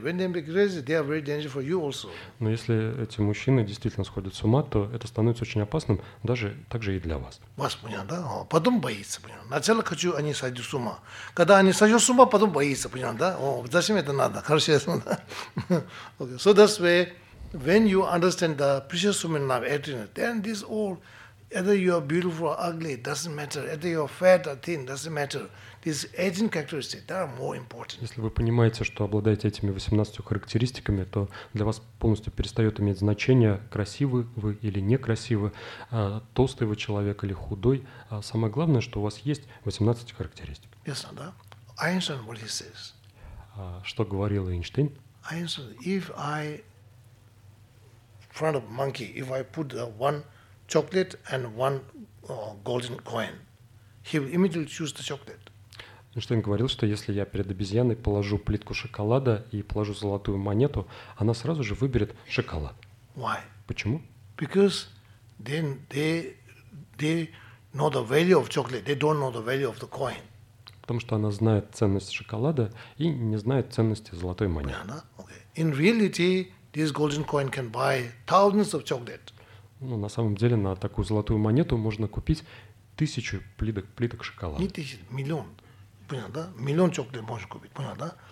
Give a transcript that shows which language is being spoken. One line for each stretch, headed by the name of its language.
English: When they become crazy, they are very dangerous for you also.
Russian: Но если эти мужчины действительно сходят с ума, то это становится очень опасным даже также и для вас. Вас понятно, да? Потом боится, понятно. Сначала хочу, они сойдут с ума. Когда они сойдут с ума, потом боится, понятно, да? Зачем это надо? Хорошо, ясно, да? Okay.
English: So that's why, when you understand the precious human life, then this all, whether you are beautiful or ugly, doesn't matter. Whether you are fat or thin, doesn't matter. These 18 characteristics, they are more important.
Russian: Если вы понимаете, что обладаете этими 18 характеристиками, то для вас полностью перестает иметь значение, красивы вы или некрасивы, толстый вы человек или худой. Самое главное, что у вас есть 18 характеристик. Ясно, да?
English: Einstein, what he says?
Russian: Что говорил Эйнштейн?
English: Einstein, if I, in front of monkey, if I put one chocolate and one golden coin, he will immediately choose the chocolate.
Russian: Эйнштейн говорил, что если я перед обезьяной положу плитку шоколада и положу золотую монету, она сразу же выберет шоколад.
English: Why?
Russian: Почему?
English: Because then they know the value of chocolate. They don't know the value of the coin.
Russian: Потому что она знает ценность шоколада и не знает ценности золотой монеты.
English: Banana? Okay. In reality, this golden coin can buy thousands of chocolate.
Russian: Ну, на самом деле, на такую золотую монету можно купить 1000 плиток шоколада. Не 1000, миллион. Понял, да? Миллион чоколад можно купить, понял, да?